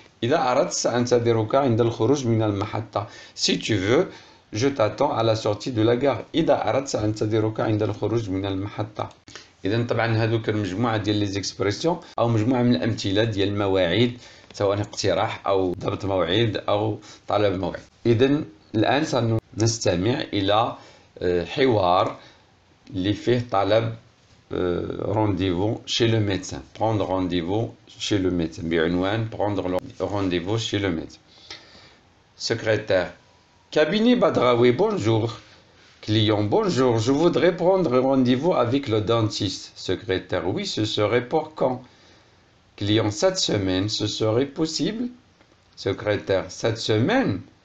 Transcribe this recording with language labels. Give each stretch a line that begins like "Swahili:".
Arabic: إذا أردت سأنتظرك عند الخروج من المحطة.
French: Si tu veux, je t'attends à la sortie de la gare.
Arabic: إذا أردت سأنتظرك عند الخروج من المحطة. إذا طبعا هادو كان مجموعة ديال لي زيكسبريسيون أو مجموعة من الأمثلة ديال المواعيد، سواء اقتراح أو ضبط موعد أو طلب موعد. إذا الآن سنستمع إلى حوار اللي فيه طلب
French: rendez-vous chez le médecin. Prendre rendez-vous chez le médecin. Bien, prendre rendez-vous chez le médecin. Secrétaire. Cabinet Badraoui, bonjour. Client, bonjour. Je voudrais prendre rendez-vous avec le dentiste. Secrétaire. Oui, ce serait pour quand? Client, cette semaine, ce serait possible? Secrétaire. Cette semaine?